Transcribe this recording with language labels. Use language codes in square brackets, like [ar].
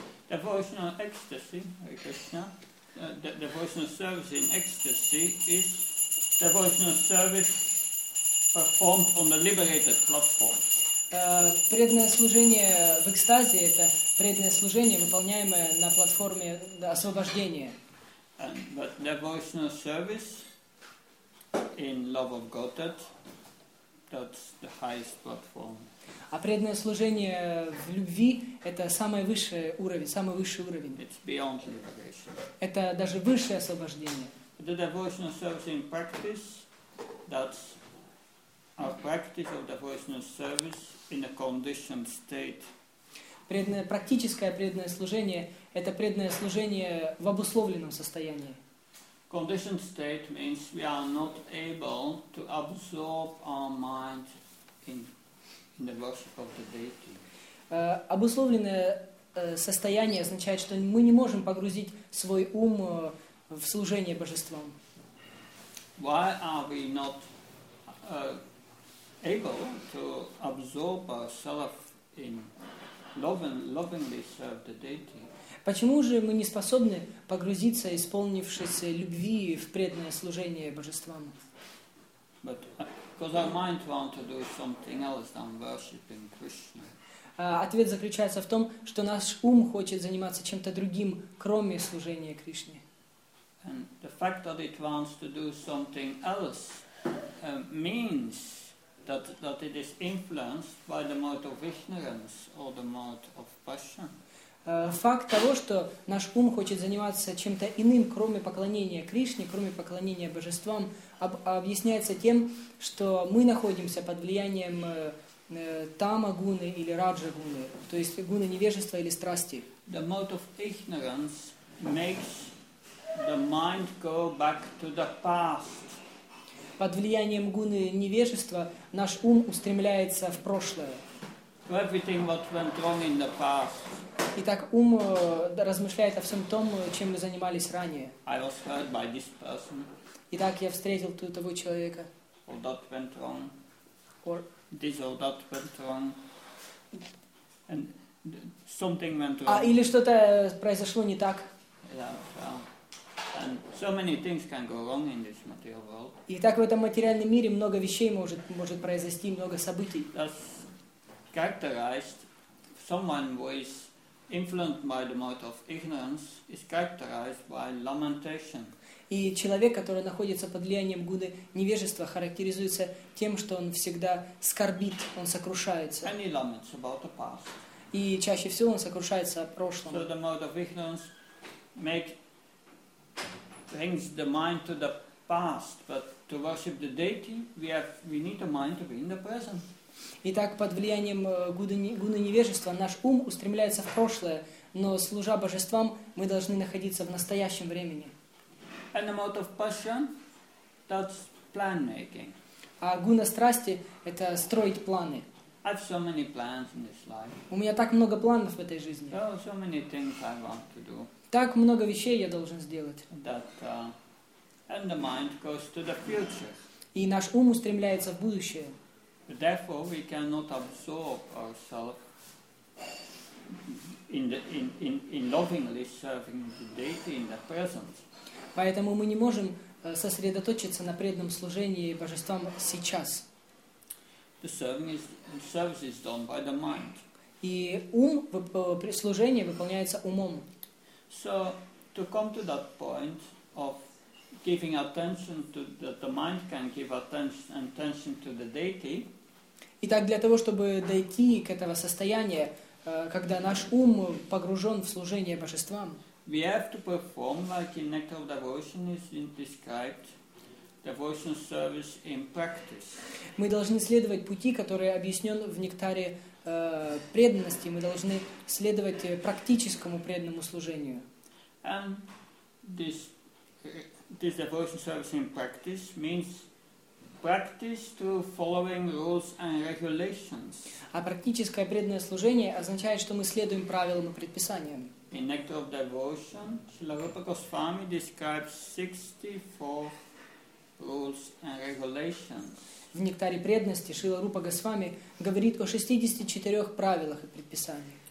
[en] Devotional ecstasy, Krishna. Devotional service in ecstasy is devotional service performed on the liberated platform. [ru] Преданное служение в экстазе это преданное служение, выполняемое на платформе освобождения. [en] But devotional service in love of Godhead, that's the highest platform. [ru] А преданное служение в любви это самый высший уровень, самый высший уровень. [en] It's beyond liberation. [ru] Это даже высшее освобождение. [en] The devotional service in practice, that's our practice of devotional service in a conditioned state. [ru] Практическое преданное служение – это преданное служение в обусловленном состоянии. [en] Conditioned state means we are not able to absorb our mind in the worship of the deity. [ru] Обусловленное состояние означает, что мы не можем погрузить свой ум в служение божествам. [en] Why are we not able to absorb ourselves in lovingly serve the deity? [ru] Почему же мы не способны погрузиться, исполнившись любви, в преданное служение божествам? [en] But because our mind wants to do something else than worshiping Krishna. [ru] Ответ заключается в том, что наш ум хочет заниматься чем-то другим, кроме служения Кришне. [en] And the fact that it wants to do something else means that it is influenced by the mode of ignorance or the mode of passion. [ru] Факт того, что наш ум хочет заниматься чем-то иным, кроме поклонения Кришне, кроме поклонения божествам, объясняется тем, что мы находимся под влиянием тама-гуны или раджа-гуны, то есть гуны невежества или страсти. [en] The mode of ignorance makes the mind go back to the past. [ru] Под влиянием гуны невежества наш ум устремляется в прошлое. [en] Everything what went wrong in the past. [ru] Итак, ум размышляет о всем том, чем мы занимались ранее. [en] I was hurt by this person. [ru] Итак, я встретил того человека. [en] Or that went wrong. Or this or that went wrong. And something went wrong. [ru] А или что-то произошло не так? [en] Yeah, well, and so many things can go wrong in this material world. [ru] Итак, в этом материальном мире много вещей может произойти, много событий. [en] That's characterized someone who is influenced by the mode of ignorance is characterized by lamentation. [ru] И человек, который находится под влиянием гуны невежества, характеризуется тем, что он всегда скорбит, он сокрушается. [en] And he laments about the past. [ru] И чаще всего он сокрушается о прошлом. [en] So the mode of ignorance brings the mind to the past, but to worship the deity, we need a mind to be in the present. [ru] Итак, под влиянием гуны невежества наш ум устремляется в прошлое, но служа божествам, мы должны находиться в настоящем времени. [en] And the mode of passion, that's plan making. [ru] А гуна страсти — это строить планы. [en] I have so many plans in this life. [ru] У меня так много планов в этой жизни. [en] Oh, so many things I want to do. [ru] Так много вещей я должен сделать. [en] And the mind goes to the future. [ru] И наш ум устремляется в будущее. [en] Therefore, we cannot absorb ourselves in lovingly serving the deity in the present. [ru] Поэтому мы не можем сосредоточиться на преданном служении божествам сейчас. [en] The service is done by the mind. [ru] И ум служение выполняется умом. [en] So to come to that point of giving attention to that the mind can give attention to the deity. [ru] Итак, для того, чтобы дойти к этого состояния, когда наш ум погружен в служение божествам, [en] we have to perform, like in Nectar of Devotion is described, devotion service in practice. [ru] Мы должны следовать пути, которые объяснен в Нектаре преданности. Мы должны следовать практическому преданному служению. [en] And this devotion service in practice means practice to following rules and regulations. [ru] А практическое преданное служение означает, что мы следуем правилам и предписаниям. [en] In Nectar of Devotion, Srila Rupa Goswami describes 64 rules and regulations. [ru] В Нектаре преданности Шрила Рупа Госвами говорит о 64 правилах и предписаниях.